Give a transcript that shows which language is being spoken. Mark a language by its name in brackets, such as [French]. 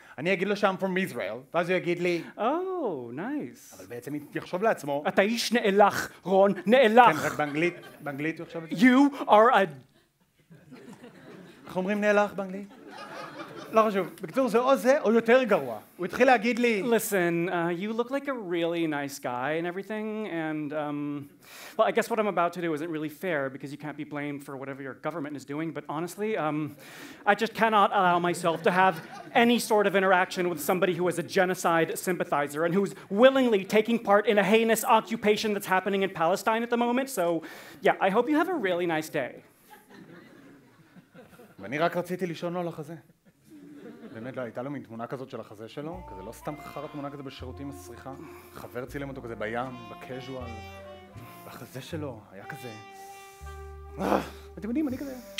[Hebrew] אני אגיד לו שם [English] from Israel, [Hebrew] ואז הוא יגיד לי... [English] Oh, nice. [Hebrew] אבל בעצם יחשוב לעצמו... אתה איש נאלח, רון, נאלח. כן, רק באנגלית, באנגלית הוא יחשוב את זה. [English] You are a... [Hebrew] אנחנו אומרים נאלח באנגלית? לא חשוב. בקיצור, זה או זה או יותר גרוע. הוא התחיל להגיד לי... [English] Listen, you look like a really nice guy and everything, and, well, I guess what I'm about to do isn't really fair, because you can't be blamed for whatever your government is doing, but honestly, I just cannot allow myself to have any sort of interaction with somebody who is a genocide sympathizer and who's willingly taking part in a heinous occupation that's happening in Palestine at the moment. So, yeah, I hope you have a really nice day. [Hebrew] ואני רק רציתי לישון לו על החזה. באמת, לא, הייתה לו מין תמונה כזאת של החזה שלו, כזה לא סתם חר התמונה כזה בשירותים מסריחה. חבר צילם אותו כזה בים, בקז'ואל. והחזה שלו היה כזה... אתם יודעים, אני כזה...